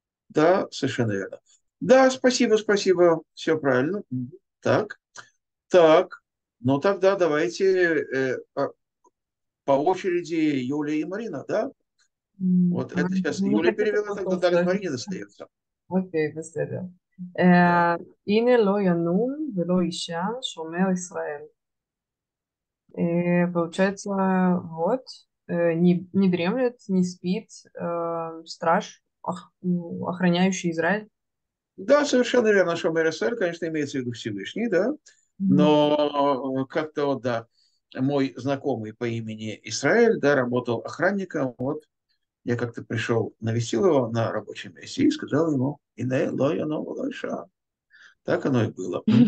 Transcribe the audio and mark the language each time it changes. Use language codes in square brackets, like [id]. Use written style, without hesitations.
[ru] Да, совершенно верно. Да, спасибо, все правильно. Так, ну тогда давайте по очереди Юлия и Марина, да? Вот это сейчас Юлия перевела, тогда далее Марине достается. [he] Окей, בסדר. [ru] Да. [he] הנה לא ינום ולא ישן שומר ישראל. [ru] Получается, вот, не дремлет, не спит страж, охраняющий Израиль. Да, совершенно верно, что мэр СССР, конечно, имеется в виду Всевышний, да, но как-то вот, да, мой знакомый по имени Исраэль, да, работал охранником, вот, я как-то пришел, навестил его на рабочем месте и сказал ему, [he] «Инэ лоя нова лоша». [ru] Так оно и было.